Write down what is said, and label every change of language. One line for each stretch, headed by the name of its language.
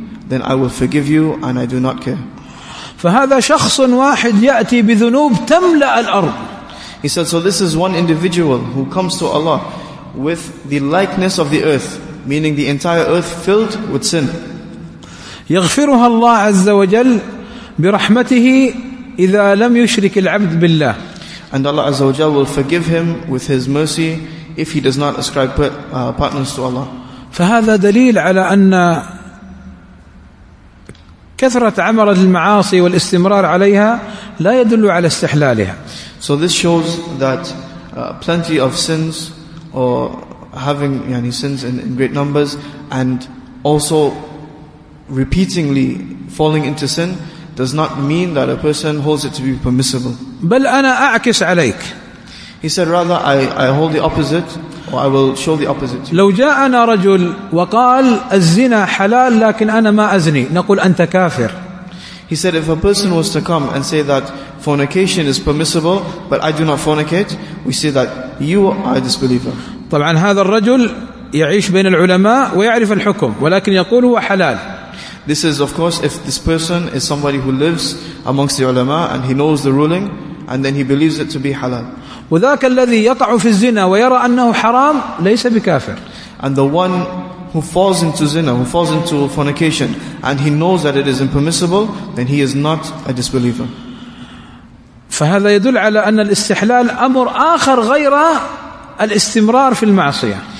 English: then I will forgive you and I do not care.
Arabic: فهذا شخص واحد يأتي بذنوب تملأ الأرض.
English: He said, so this is one individual who comes to Allah with the likeness of the earth, meaning the entire earth filled with sin.
Arabic: يغفرها الله عز وجل برحمته إذا لم يشرك العبد بالله.
English: And Allah
Arabic: عز وجل
English: will forgive him with his mercy if he does not ascribe partners to Allah.
Arabic: فهذا دليل على أن كثرة عمل المعاصي والاستمرار عليها لا يدل على استحلالها.
English: So this shows that plenty of sins or having يعني sins in great numbers and also repeatedly falling into sin does not mean that a person holds it to be permissible.
Arabic: بل أنا أعكس عليك.
English: He said, rather I hold the opposite or I will show the opposite to you.
Arabic: لو جاءنا رجل وقال الزنا حلال لكن أنا ما أزني نقول أنت كافر.
English: He said, if a person was to come and say that fornication is permissible but I do not fornicate, we say that you are a disbeliever.
Arabic: طبعا هذا الرجل يعيش بين العلماء ويعرف الحكم ولكن يقول هو حلال.
English: This is, of course, if this person is somebody who lives amongst the ulama and he knows the ruling and then he believes it to be halal.
Arabic: وذاك الذي يقع في الزنا ويرى أنه حرام ليس بكافر.
English: And the one who falls into zina, who falls into fornication and he knows that it is impermissible, then he is not a disbeliever.
Arabic: فهذا يدل على أن الاستحلال أمر آخر غير الاستمرار في المعصية.